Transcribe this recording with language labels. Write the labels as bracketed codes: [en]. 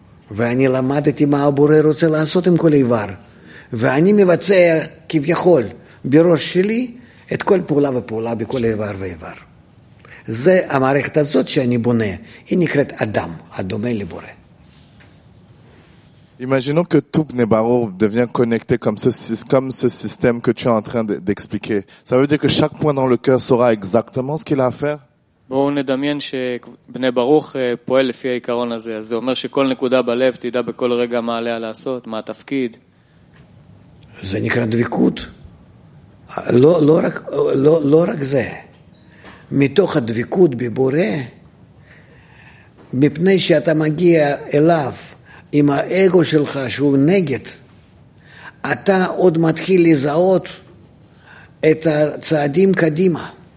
[he] ואני למדתי מה הבורא רוצה לעשות עם כל איבר. ואני מבצע כביכול בראש שלי את כל פעולה ופעולה בכל איבר ואיבר. זה המערכת הזאת שאני בונה. היא נקראת אדם, הדומה לבורא. [fr] Imaginons que tout Bnei Barour devient connecté comme ce système que tu es en train d'expliquer. Ça veut dire que chaque point dans le cœur saura exactement ce qu'il a à faire? [he] בואו נדמיין שבני ברוך פועל לפי העיקרון הזה. אז זה אומר שכל נקודה בלב תדע בכל רגע מה עליה לעשות, מה התפקיד. זה נקרא דביקות. לא, לא רק, לא, לא רק זה. מתוך הדביקות בבורא, מפני שאתה מגיע אליו עם האגו שלך שהוא נגד, אתה עוד מתחיל לזהות את הצעדים קדימה.